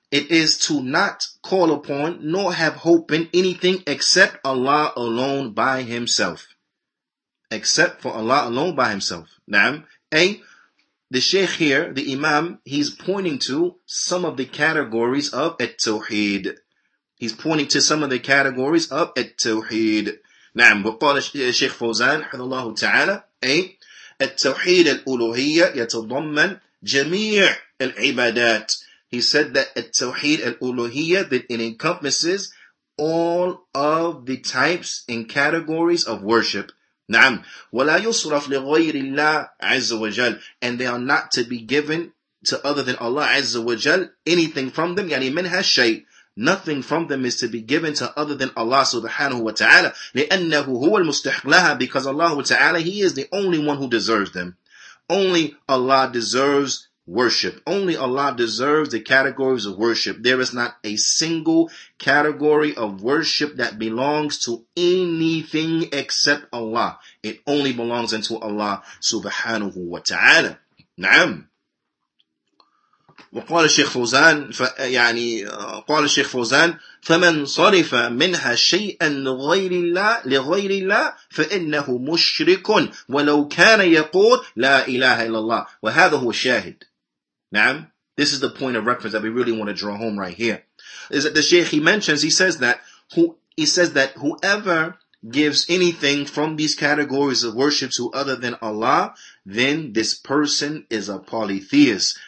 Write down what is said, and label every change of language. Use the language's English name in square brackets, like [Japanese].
[English] It is to not call upon nor have hope in anything except Allah alone by himself. Except for Allah alone by himself. Naam. A. The Shaykh here, the Imam, he's pointing to some of the categories of At-Tawheed. He's pointing to some of the categories of At-Tawheed. Naam. [Arabic] وقال الشيخ فوزان حفظه الله تعالى. A. At-Tawheed al-Uluhiyya yatadhamman jami' al-ibadat. [English] He said that التوحيد الألوهية, that it encompasses all of the types and categories of worship. [Arabic] نعم. ولا يصرف لغير الله عز وجل. [English] And they are not to be given to other than Allah عز وجل anything from them. [Arabic] يعني منها شيء. [English] Nothing from them is to be given to other than Allah سبحانه وتعالى. [Arabic] لأنه هو المستحق لها. [English] Because Allah تعالى, He is the only one who deserves them. Only Allah deserves worship. Only Allah deserves the categories of worship. There is not a single category of worship that belongs to anything except Allah. It only belongs unto Allah subhanahu wa ta'ala. Naam. [Arabic] وقال الشيخ فوزان يعني قال الشيخ فوزان فمن صرف منها شيئا غير الله لغير الله فإنه مشرك ولو كان يقول لا إله إلا الله. وهذا هو الشاهد. [English] Naam, this is the point of reference that we really want to draw home right here. Is that the Shaykh, he says that whoever gives anything from these categories of worship to other than Allah, then this person is a polytheist.